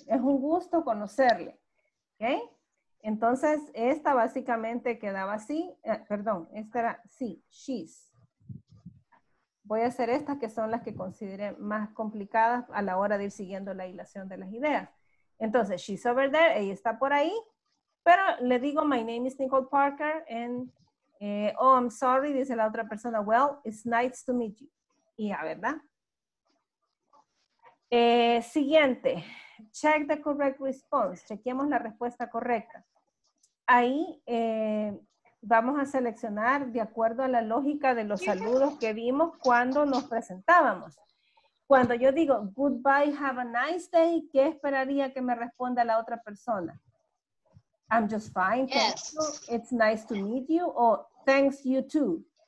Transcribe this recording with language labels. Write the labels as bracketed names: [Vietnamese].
[Spanish] Es un gusto conocerle. ¿Ok? Entonces, esta básicamente quedaba así. Perdón, esta era, sí, she's. Voy a hacer estas que son las que consideré más complicadas a la hora de ir siguiendo la hilación de las ideas. Entonces, [English] she's over there, [Spanish] ella está por ahí. Pero le digo, [English] my name is Nicole Parker, and oh, I'm sorry, [Spanish] dice la otra persona, [English] well, it's nice to meet you. [Spanish] Y ya, ¿verdad? [English] Siguiente, check the correct response, [Spanish] chequeamos la respuesta correcta. Ahí vamos a seleccionar de acuerdo a la lógica de los saludos que vimos cuando nos presentábamos. Cuando yo digo [English] goodbye, have a nice day, [Spanish] ¿qué esperaría que me responda la otra persona? [English] I'm just fine, thank yes. you, it's nice to meet you, o thanks you too.